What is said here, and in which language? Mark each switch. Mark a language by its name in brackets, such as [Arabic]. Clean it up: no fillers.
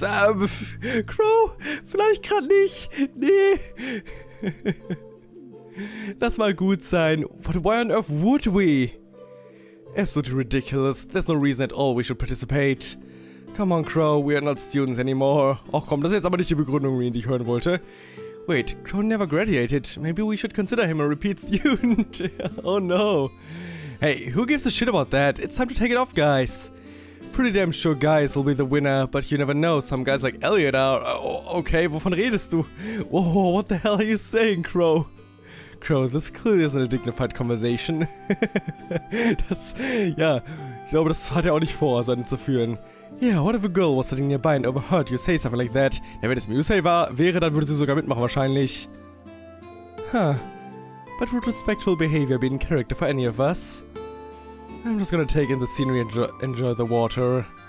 [German] Crow, vielleicht gerade nicht. Nee. Lass mal gut sein. [English] But why on earth would we? Absolutely ridiculous. There's no reason at all we should participate. Come on, Crow, we are not students anymore. [German] Ach komm, das ist jetzt aber nicht die Begründung, die ich hören wollte. [English] Wait, Crow never graduated. Maybe we should consider him a repeat student. Oh no. Hey, who gives a shit about that? It's time to take it off, guys. Pretty damn sure guys will be the winner, but you never know, some guys like Elliot are... Okay, [German] wovon redest du? [English] Whoa, what the hell are you saying, Crow? Crow, this clearly isn't a dignified conversation. [German] Das, ja, ich glaube, das hat er auch nicht vor, so einen zu führen. [English] Yeah, what if a girl was sitting nearby and overheard you say something like that? [German] Ja, wenn es Musei wäre, dann würde sie sogar mitmachen, wahrscheinlich. Huh. [English] But would respectful behavior be in character for any of us? I'm just gonna take in the scenery and enjoy the water.